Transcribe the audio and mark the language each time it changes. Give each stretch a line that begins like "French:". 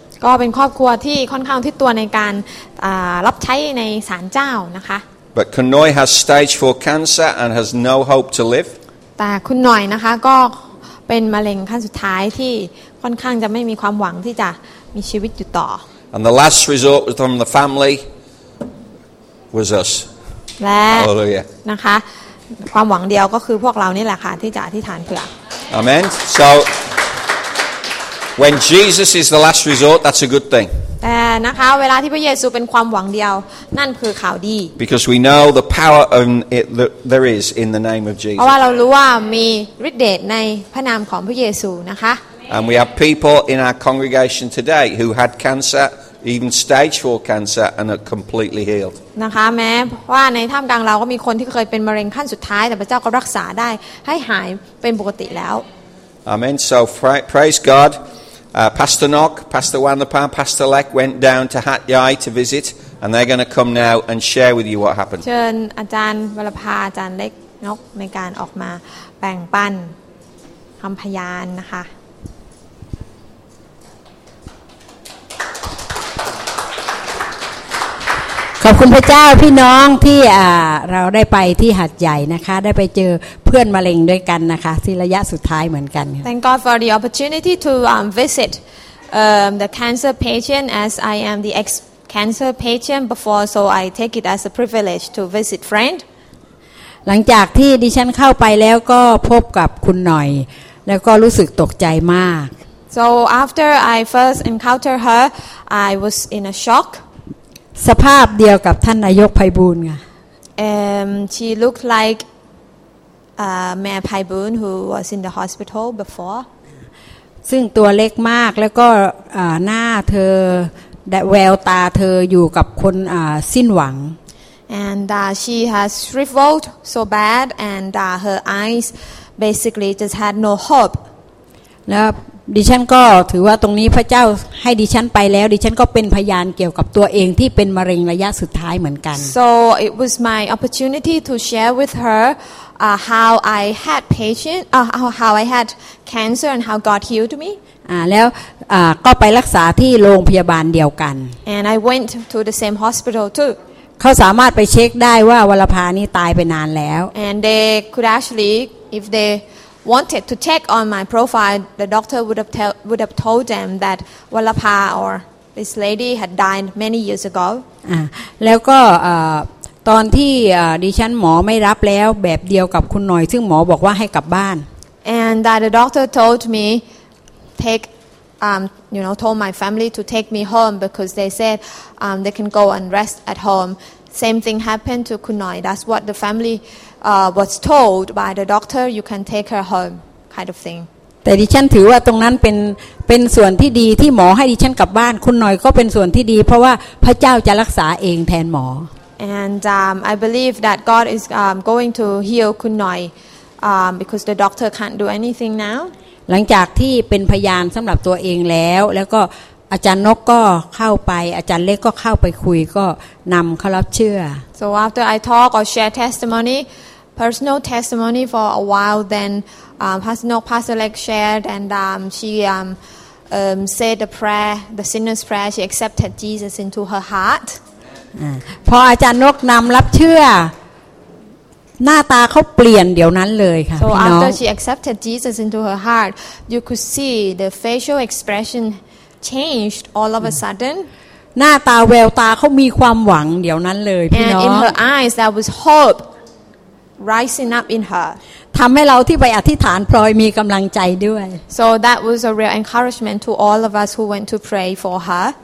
Thai: ก็เป็นครอบครัวที่ค่อนข้างที่ตัวในการรับใช้ในศาลเจ้านะคะ
English: but Kunoy has stage 4 cancer and has no hope to live
Thai: แต่คุณหน่อยนะคะก็เป็นมะเร็งขั้นสุดท้ายที่ค่อนข้างจะไม่มีความหวังที่จะมีชีวิตอยู่ต่อ
English: And the last resort from the family was us
Thai: Hallelujah นะคะความหวังเดียวก็คือพวกเรานี่แหละค่ะที่จะอธิษฐานเผื่อ
English: Amen So when Jesus is the last resort that's a good thing
Thai: นะคะเวลาที่พระเยซูเป็นความหวังเดียวนั่นคือข่าวดี
English: Because we know the power of it that there is in the name of Jesus
Thai: เพราะว่าเรารู้ว่ามีฤทธิ์เดชในพระนามของพระเยซูนะคะ
English: And we have people in our congregation today who had cancer even stage 4 cancer and are completely healed
Thai: นะคะแม้ว่าในท่ามกลางเราก็มีคนที่เคยเป็นมะเร็งขั้นสุดท้ายแต่พระเจ้าก็รักษาได้ให้หายเป็นปกติแล้ว
English: Amen so praise GodPastor Nok, Pastor Wanapan, Pastor Lek went down to Hat Yai to visit, and they're going to come now and share with you what happened.
Thai: เชิญอาจารย์วรพาอาจารย์เล็กนกในการออกมาแบ่งปันคำพยานนะคะ ขอบคุณพระเจ้าพี่น้องที่เราได้ไปที่หาดใหญ่นะคะได้ไปเจอเพื่อนมะเร็งด้วยกันนะคะที่ระยะสุดท้ายเหมือนกัน
English: Thank God for the opportunity to visit the cancer patient as I am the ex cancer patient before so I take it as a privilege to visit friend
Thai: หลังจากที่ดิฉันเข้าไปแล้วก็พบกับคุณหน่อยแล้วก็รู้สึกตกใจมาก
English: So after I first encounter her I was in a shock
Thai: สภาพเดียวกับท่านนายกไพบูลย์ไง
English: she looked like Mayor Pai Boon who was in the hospital before
Thai: ซึ่งตัวเล็กมากแล้วก็หน้าเธอแววตาเธออยู่กับคนสิ้นหวัง
English: and she has shriveled so bad and her eyes basically just had no hope
Thai: แล้วดิฉันก็ถือว่าตรงนี้พระเจ้าให้ดิฉันไปแล้วดิฉันก็เป็นพยานเกี่ยวกับตัวเองที่เป็นมะเร็งระยะสุดท้ายเหมือนกัน
English: So it was my opportunity to share with her how I had patient how I had cancer and how God healed me
Thai: แล้วก็ไปรักษาที่โรงพยาบาลเดียวกัน
English: And I went to the same hospital too
Thai: เขาสามารถไปเช็คได้ว่าวรภานี่ตายไปนานแล้ว
English: And they could actually if theywanted to check on my profile the doctor would have told them that Wallapa or this lady had died many years ago
Thai: แล้วก็ตอนที่ดิฉันหมอไม่รับแล้วแบบเดียวกับคุณหน่อยซึ่งหมอบอกว่าให้กลับบ้าน
English: and that the doctor told me take you know told my family to take me home because they said they can go and rest at home same thing happened to Kunoy that's what the familywas told by the doctor you can take her home kind of thing
Thai: แต่ดิฉันถือว่าตรงนั้นเป็นส่วนที่ดีที่หมอให้ดิฉันกลับบ้านคุณหน่อยก็เป็นส่วนที่ดีเพราะว่าพระเจ้าจะรักษาเองแทนหมอ
English: and I believe that God is going to heal คุณหน่อย because the doctor can't do anything now
Thai: หลังจากที่เป็นพยานสำหรับตัวเองแล้วก็อาจารย์นกก็เข้าไปอาจารย์เล็กก็เข้าไปคุยก็นำเขารับเชื่อ
English: so after I talk or share testimonyPersonal testimony for a while, then Pastor Nok, Pastor Lek shared, and she said the prayer, the sinner's prayer. She accepted Jesus into her heart.
Thai: พออาจารย์นกนำรับเชื่อหน้าตาเขาเปลี่ยนเดี๋ยวนั้นเลยค่ะ
English: So after she accepted Jesus into her heart, you could see the facial expression changed all of a sudden.
Thai: หน้าตาแววตาเขามีความหวังเดี๋ยวนั้นเลยพี่น้อง
English: And in her eyes there was hope rising up in her.
Thai: ทำให้เราที่ไปอธิษฐานพลอยมีกำลังใจด้วย
English: So that was a real encouragement to all of us who went to pray for her.